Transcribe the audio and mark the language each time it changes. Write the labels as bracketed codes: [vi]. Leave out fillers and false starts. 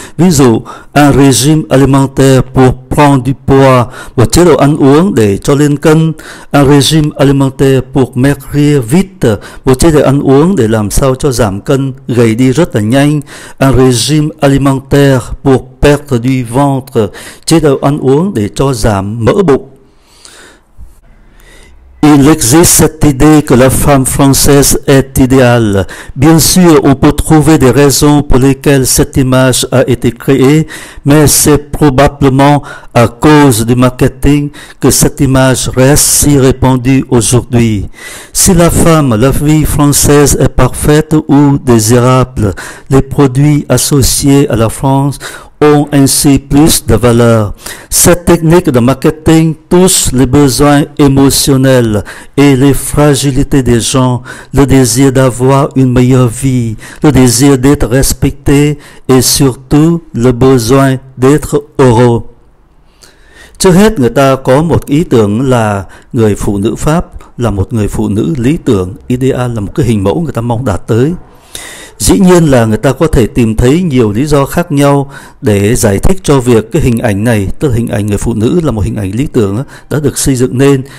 [vi] Ví dụ, [fr] un régime alimentaire pour prendre du poids, [vi] một chế độ ăn uống để cho lên cân. [fr] Un régime alimentaire pour maigrir vite, [vi] một chế độ ăn uống để làm sao cho giảm cân, gầy đi rất là nhanh. [fr] Un régime alimentaire pour perdre du ventre, [vi] chế độ ăn uống để cho giảm mỡ bụng. [fr] Il existe cette idée que la femme française est idéale. Bien sûr, on peut trouver des raisons pour lesquelles cette image a été créée, mais c'est probablement à cause du marketing que cette image reste si répandue aujourd'hui. Si la femme, la vie française est parfaite ou désirable, les produits associés à la France ont ainsi plus de valeur. Cette technique de marketing touche les besoins émotionnels et les fragilités des gens, le désir d'avoir une meilleure vie, le désir d'être respecté et surtout le besoin d'être heureux. [vi] Trước hết, người ta có một ý tưởng là người phụ nữ Pháp là một người phụ nữ lý tưởng, ideal, là một cái hình mẫu người ta mong đạt tới. Dĩ nhiên là người ta có thể tìm thấy nhiều lý do khác nhau để giải thích cho việc cái hình ảnh này, tức là hình ảnh người phụ nữ là một hình ảnh lý tưởng đã được xây dựng nên.